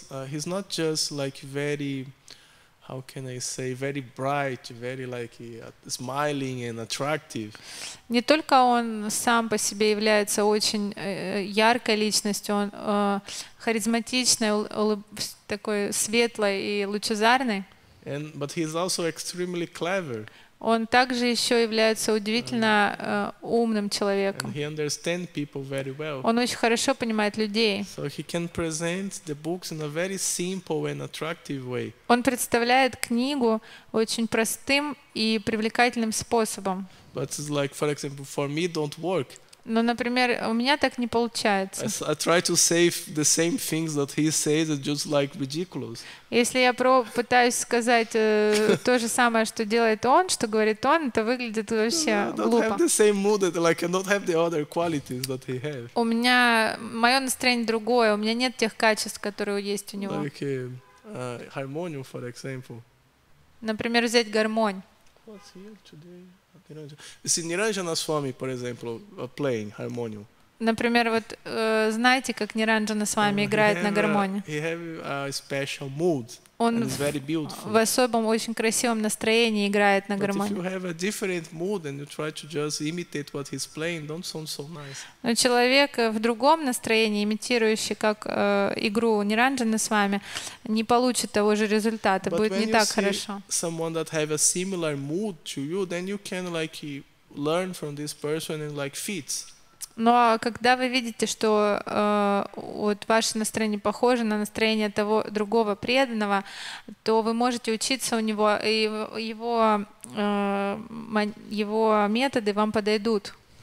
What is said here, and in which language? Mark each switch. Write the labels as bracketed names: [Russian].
[English] He's not just like very, how can I say, very bright, very like smiling and attractive. [Russian] Не только он сам по себе является очень яркой личностью, он харизматичный, такой светлый и лучезарный. [English] And but he is also extremely clever. [Russian] Он также еще является удивительно умным человеком. [English] And he understands people very well. [Russian] Он очень хорошо понимает людей. [English] So he can present the books in a very simple and attractive way. [Russian] Он представляет книгу очень простым и привлекательным способом. [English] But it's like, for example, for me don't work. [Russian] Но, например, у меня так не получается. [English] I try to say the same things that he says, it's just like ridiculous. [Russian] Если я пытаюсь сказать то же самое, что делает он, что говорит он, это выглядит вообще глупо. [English] I don't have the same mood, like I don't have the other qualities that he has. [Russian] У меня мое настроение другое, у меня нет тех качеств, которые есть у него. [English] Like harmony, for example. [Russian] Например, взять гармонь. [English] What's here today? Is Niranjana Swami, for example, playing harmonium? [Russian] Например, вот знаете, как Niranjana Swami играет на гармонии? [English] He have a special mood. [Russian] Он [English] and it's very beautiful. [Russian] В особом, очень красивом настроении играет на гармонии. [English] But if you have a different mood and you try to just imitate what he's playing, don't sound so nice. [Russian] Но человек в другом настроении, имитирующий как игру Niranjana Swami, не получит того же результата, [English] but [Russian] будет не так хорошо. [English] But when you see someone that have a similar mood to you, then you can like learn from this person and like fits. [Russian] Но когда вы видите, что вот ваше настроение похоже на настроение того другого преданного, то вы можете учиться у него, и его методы вам подойдут.